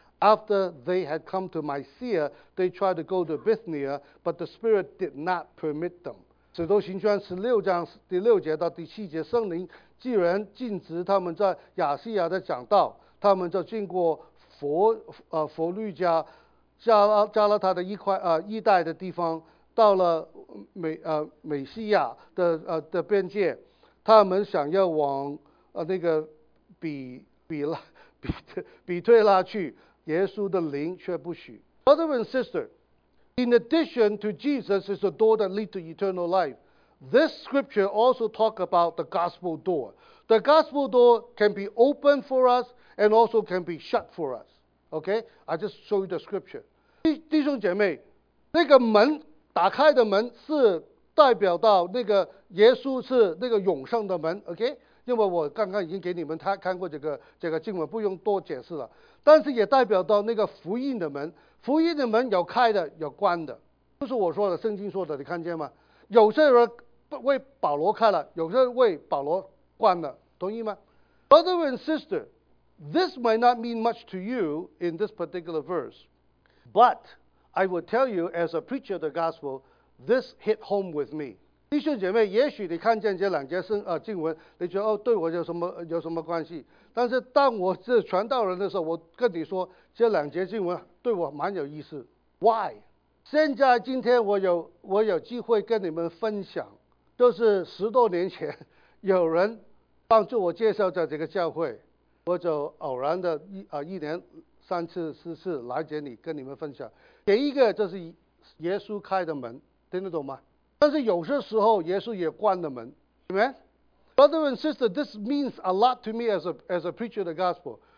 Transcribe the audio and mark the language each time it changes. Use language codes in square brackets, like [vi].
[en] After they had come to Mysia, they tried to go to Bithynia, but the Spirit did not permit them. [zh] 使徒行传十六章第六节到第七节，圣灵既然禁止他们在亚细亚的讲道，他们就经过佛律家加拉他的一带的地方，到了美西亚的边界，他们想要往那个比推拉去。耶稣的灵却不许。 [en] Brother and sister, in addition to Jesus is the door that leads to eternal life, this scripture also talks about the gospel door. The gospel door can be open for us and also can be shut for us. Okay, I just show you the scripture. [zh] 弟兄姐妹，那个门打开的门是代表到那个耶稣是那个永生的门。 [en] Okay. [zh] 因为我刚刚已经给你们看过这个经文，不用多解释了。但是也代表到那个福音的门，福音的门有开的，有关的，就是我说的圣经说的，你看见吗？有些人为保罗开了，有些人为保罗关的，同意吗 ？ [en] Brother and sister, this might not mean much to you in this particular verse, but I will tell you as a preacher of the gospel, this hit home with me. [zh] 弟兄姐妹，也许你看见这两节经文，你觉得哦，对我有什么关系？但是当我是传道人的时候，我跟你说，这两节经文对我蛮有意思。 [en] Why？ [zh] 现在今天我有机会跟你们分享，就是十多年前有人帮助我介绍在这个教会，我就偶然的一年三次四次来这里跟你们分享。第一个就是耶稣开的门，听得懂吗？但是有些时候耶稣也关了门， Amen? [en] Brother and sister, this means a lot to me as a preacher of the gospel.